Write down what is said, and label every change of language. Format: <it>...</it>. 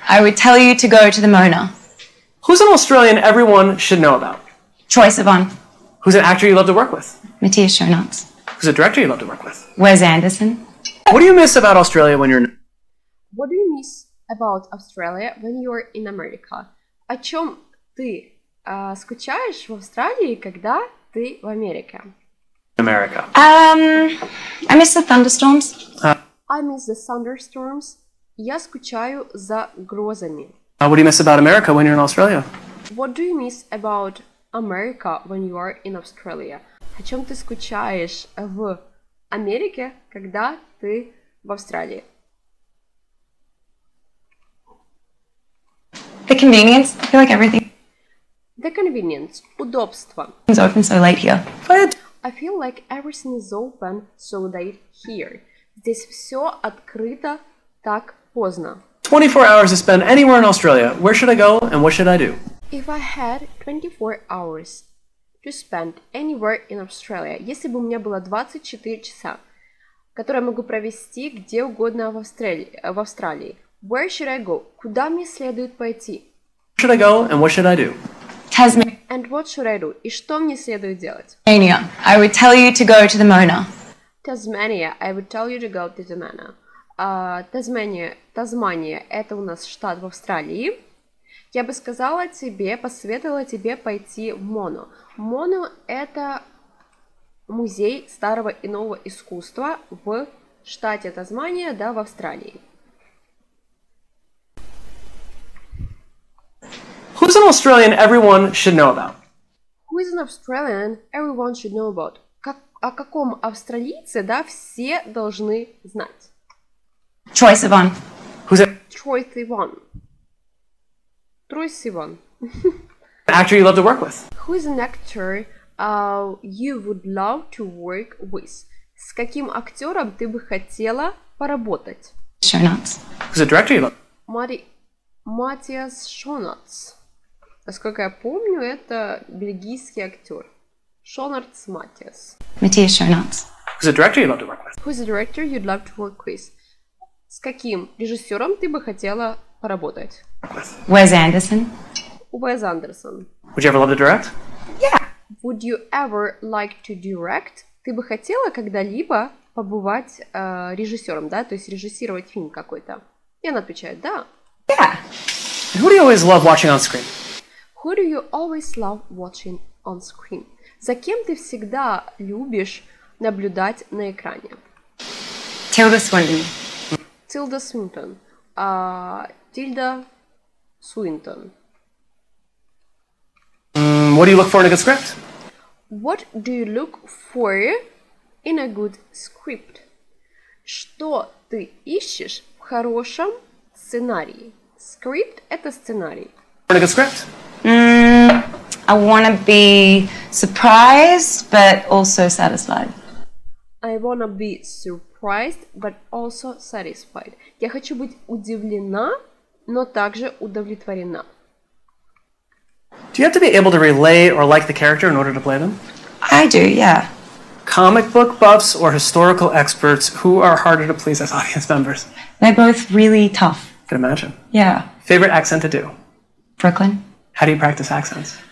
<en>I would tell you to go to the Mona. Who's an Australian everyone should know about? Troy Sivan. Who's an actor you love to work with? Matthias Schoenaerts. Who's a director you love to work with? Wes Anderson. What do you miss about Australia when you're in... What do you miss about Australia when you're in America?</en> <ru>О чем ты скучаешь в Австралии, когда ты в Америке?</ru> <en>America. I miss the thunderstorms. I miss the thunderstorms.</en> <ru>Я скучаю за грозами.</ru> <en>What do you miss about America when you're in Australia? What do you miss about America when you are in Australia?</en> <ru>О чем ты скучаешь в Америке, когда ты в Австралии?</ru> <en>The convenience. I feel like everything. The convenience.</en> <ru>Удобство.</ru> <en>It's open so late here. But... I feel like everything is open so late here.</en> <ru>Здесь все открыто так поздно.</ru> <en>24 hours to spend anywhere in Australia. Where should I go and what should I do? If I had 24 hours to spend anywhere in Australia,</en> <ru>если бы у меня было 24 часа, которые я могу провести где угодно в Австралии,</ru> <en>where should I go?</en> <ru>Куда мне следует пойти?</ru> <en>Where should I go and what should I do? Tasmania. And what should I do?</en> <ru>И что мне следует делать?</ru> <en>Tasmania. I would tell you to go to the Mona. Tasmania. I would tell you to go to the Mona.</en> <ru>Тасмания. Тасмания – это у нас штат в Австралии. Я бы сказала тебе, посоветовала тебе пойти в Моно. Моно – это музей старого и нового искусства в штате Тасмания, да, в Австралии.</ru> <en>Who's an Australian everyone should know about? Who is an Australian everyone should know about?</en> <ru>О каком австралийце, да, все должны знать?</ru> <en>Troy Sivan. Who's it? Troy Sivan. An actor you love to work with. Who is an actor you would love to work with?</en> <ru>С каким актером ты бы хотела поработать?</ru> <en>Schoenaerts. Who's a director you love? Matthias Schoenaerts.</en> <ru>Насколько я помню, это бельгийский актер.</ru> <en>Schoenaerts Matthias. Matthias Schoenaerts. Who's a director you love to work with? Who's a director you'd love to work with?</en> <ru>С каким режиссером ты бы хотела поработать?</ru> <en>Wes Anderson. Wes Anderson. Would you ever love to direct? Yeah. Would you ever like to direct?</en> <ru>Ты бы хотела когда-либо побывать режиссером, да? То есть режиссировать фильм какой-то. И она отвечает, да.</ru> <en>Yeah. Who do you always love watching on screen? Who do you always love watching on screen?</en> <ru>За кем ты всегда любишь наблюдать на экране?</ru> <en>Tilda Swinton. Tilda Swinton. Tilda Swinton. What do you look for in a good script? What do you look for in a good script?</en> <ru>Что ты ищешь в хорошем сценарии? Скрипт — это сценарий.</ru> <en>In a good script? I want to be surprised, but also satisfied. I want to be surprised, but also satisfied.</en> <ru>Я хочу быть удивлена, но также удовлетворена.</ru> <en>Do you have to be able to relate or like the character in order to play them? I do, yeah. comic book buffs or historical experts? Who are harder to please as audience members? They're both really tough. I can imagine. Yeah. Favorite accent to do? Brooklyn. How do you practice accents?</en>